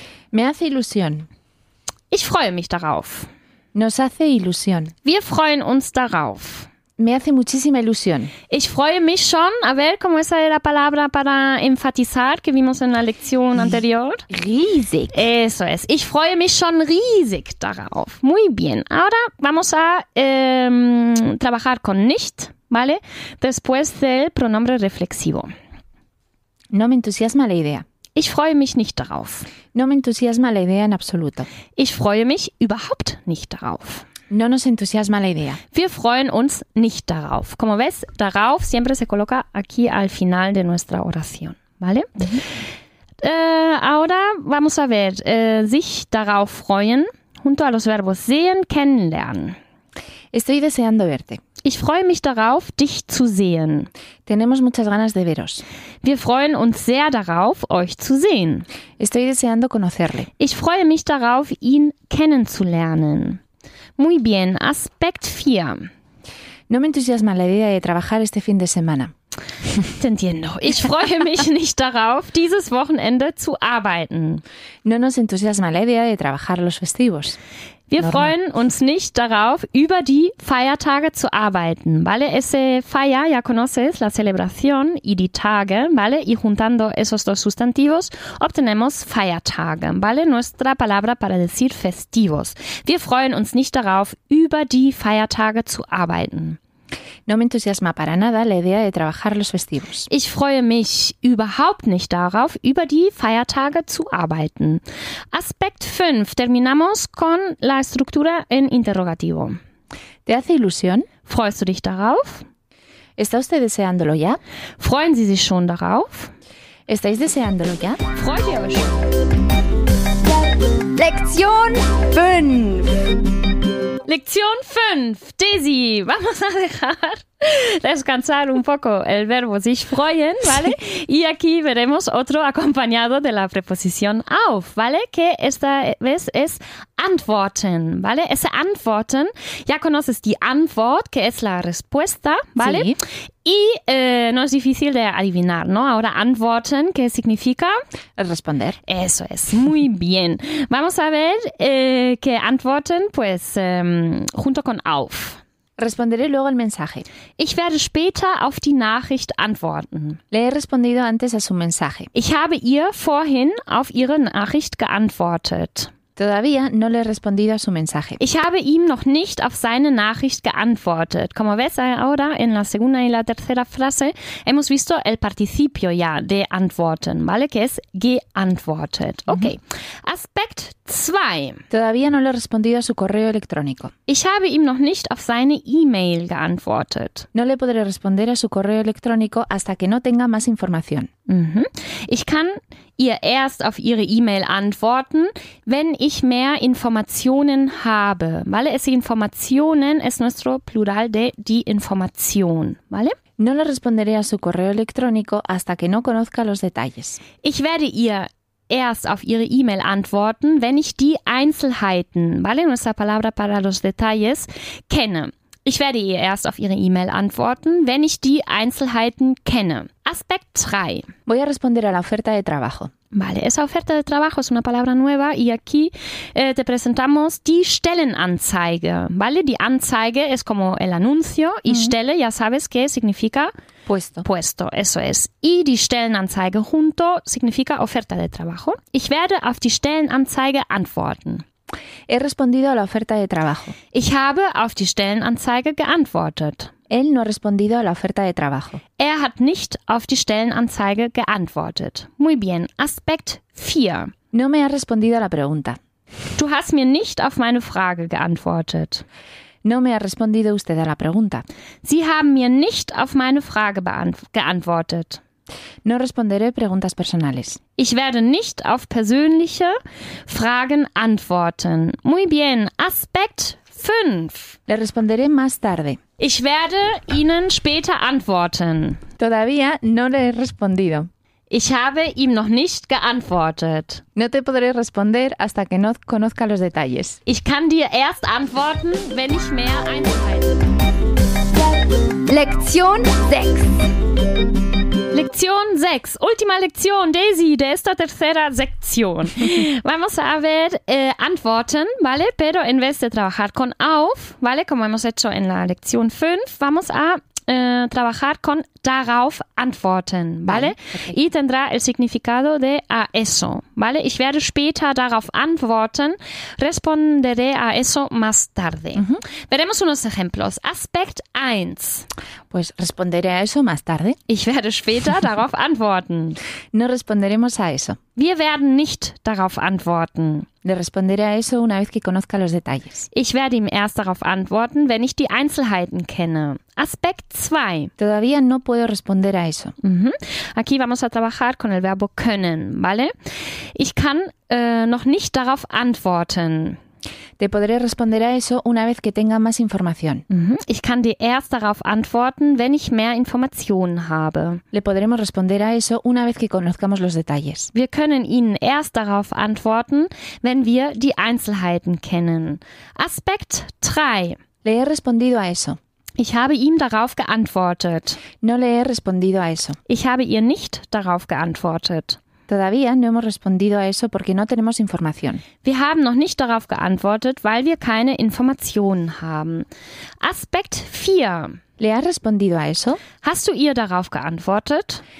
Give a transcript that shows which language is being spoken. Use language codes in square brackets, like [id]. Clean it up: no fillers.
[es] Me hace ilusión. [de] Ich freue mich darauf. [es] Nos hace ilusión. [de] Wir freuen uns darauf. [es] Me hace muchísima ilusión. [de] Ich freue mich schon. [es] A ver, ¿cómo es la palabra para enfatizar que vimos en la lección anterior? [de] Riesig. [es] Eso es. [de] Ich freue mich schon riesig darauf. [es] Muy bien. Ahora vamos a trabajar con nicht, ¿vale? Después del pronombre reflexivo. No me entusiasma la idea. [de] Ich freue mich nicht darauf. [es] No me entusiasma la idea en absoluto. [de] Ich freue mich überhaupt nicht darauf. [es] No nos entusiasma la idea. [de] Wir freuen uns nicht darauf. [es] Como ves, darauf siempre se coloca aquí al final de nuestra oración, ¿vale? Mm-hmm. Ahora vamos a ver, [de] sich darauf freuen, [es] junto a los verbos sehen, kennenlernen. Estoy deseando verte. [de] Ich freue mich darauf, dich zu sehen. [es] Tenemos muchas ganas de veros. [de] Wir freuen uns sehr darauf, euch zu sehen. [es] Estoy deseando conocerle. [de] Ich freue mich darauf, ihn kennenzulernen. [es] Muy bien, Aspekt 4. No me entusiasma la idea de trabajar este fin de semana. Te entiendo. [de] Ich freue mich nicht darauf, dieses Wochenende zu arbeiten. [es] No nos entusiasma la idea de trabajar los festivos. [de] Wir Norma. Freuen uns nicht darauf, über die Feiertage zu arbeiten, ¿vale? [es] Ese Feier, ya conoces, la celebración y die Tage, ¿vale? Y juntando esos dos sustantivos, obtenemos Feiertage, ¿vale? Nuestra palabra para decir festivos. [de] Wir freuen uns nicht darauf, über die Feiertage zu arbeiten. [es] No me entusiasma para nada la idea de trabajar los festivos. [de] Ich freue mich überhaupt nicht darauf, über die Feiertage zu arbeiten. Aspekt 5. [es] Terminamos con la estructura en interrogativo. ¿Te hace ilusión? [de] ¿Freust du dich darauf? [es] ¿Está usted deseándolo ya? [de] ¿Freuen Sie sich schon darauf? [es] ¿Estáis deseándolo ya? [de] ¿Freut ihr euch schon? [es] Lección 5. Lección 5. Daisy, vamos a dejar descansar un poco el verbo sich freuen, ¿vale? Sí. Y aquí veremos otro acompañado de la preposición auf, ¿vale? Que esta vez es antworten, ¿vale? Ese antworten, ya conoces die Antwort, que es la respuesta, ¿vale? Sí. Y no es difícil de adivinar, ¿no? Ahora antworten, ¿qué significa? Responder. Eso es. Muy bien. Vamos a ver que antworten, pues, junto con auf. Responderé luego el mensaje. [de] Ich werde später auf die Nachricht antworten. [es] Le he respondido antes a su mensaje. [de] Ich habe ihr vorhin auf ihre Nachricht geantwortet. [es] Todavía no le he respondido a su mensaje. [de] Ich habe ihm noch nicht auf seine Nachricht geantwortet. [es] Como ves ahora, en la segunda y la tercera frase, hemos visto el participio ya de antworten, ¿vale? Que es geantwortet. Okay. Mhm. Aspekt 2. Todavía no le he respondido a su correo electrónico. [de] Ich habe ihm noch nicht auf seine E-Mail geantwortet. [es] No le podré responder a su correo electrónico hasta que no tenga más información. Mhm. [de] Ich kann ihr erst auf ihre E-Mail antworten, wenn ich mehr Informationen habe. [es] ¿Vale? Es Informationen es nuestro plural de die Information. ¿Vale? No le responderé a su correo electrónico hasta que no conozca los detalles. [de] Ich werde ihr erst auf ihre E-Mail antworten, wenn ich die Einzelheiten, [es] vale nuestra palabra para los detalles, [de] kenne. Ich werde ihr erst auf ihre E-Mail antworten, wenn ich die Einzelheiten kenne. Aspekt 3. [es] Voy a responder a la oferta de trabajo. Vale, esa oferta de trabajo es una palabra nueva y aquí te presentamos die Stellenanzeige. Vale, die Anzeige es como el anuncio y Stelle, ya sabes qué significa. Puesto. Puesto, eso es. Y die Stellenanzeige junto significa oferta de trabajo. [de] Ich werde auf die Stellenanzeige antworten. [es] He respondido a la oferta de trabajo. [de] Ich habe auf die Stellenanzeige geantwortet. [es] Él no ha respondido a la oferta de trabajo. [de] Er hat nicht auf die Stellenanzeige geantwortet. [es] Muy bien. Aspekt 4. No me ha respondido a la pregunta. [de] Du hast mir nicht auf meine Frage geantwortet. [es] No me ha respondido usted a la pregunta. [de] Sie haben mir nicht auf meine Frage geantwortet. [es] No responderé preguntas personales. [de] Ich werde nicht auf persönliche Fragen antworten. [es] Muy bien. Aspekt 5. Le responderé más tarde. [de] Ich werde Ihnen später antworten. [es] Todavía no le he respondido. [de] Ich habe ihm noch nicht geantwortet. [es] No te podré responder hasta que no conozca los detalles. [de] Ich kann dir erst antworten, wenn ich mehr Einzelheiten. Lektion 6. [es] Lección 6, última lección, Daisy, de esta tercera sección. Vamos a ver antworten, ¿vale? Pero en vez de trabajar con auf, ¿vale? Como hemos hecho en la lección 5, vamos a trabajar con darauf antworten, ¿vale? Okay. Y tendrá el significado de a eso, ¿vale? [de] Ich werde später darauf antworten, [es] responderé a eso más tarde. Uh-huh. Veremos unos ejemplos. Aspekt 1. Pues responderé a eso más tarde. [de] Ich werde später darauf antworten. [es] No responderemos a eso. [de] Wir werden nicht darauf antworten. [es] Le responderé a eso una vez que conozca los detalles. [de] Ich werde ihm erst darauf antworten, wenn ich die Einzelheiten kenne. Aspekt 2. [es] Todavía no puedo responder a eso. Mhm. Aquí vamos a trabajar con el verbo können, ¿vale? [de] Ich kann noch nicht darauf antworten. [es] Te podré responder a eso una vez que tenga más información. Mhm. [de] Ich kann dir erst darauf antworten, wenn ich mehr Informationen habe. [es] Le podremos responder a eso una vez que conozcamos los detalles. [de] Wir können Ihnen erst darauf antworten, wenn wir die Einzelheiten kennen. Aspekt 3. [es] Le he respondido a eso. [de] Ich habe ihm darauf geantwortet. [es] No le he respondido a eso. [de] Ich habe ihr nicht darauf geantwortet. [es] Todavía no hemos respondido a eso porque no tenemos información. [de] Wir haben noch nicht darauf geantwortet, weil wir keine Informationen haben. Aspekt 4. [es] ¿Le has respondido a eso? [de] Hast du ihr darauf geantwortet?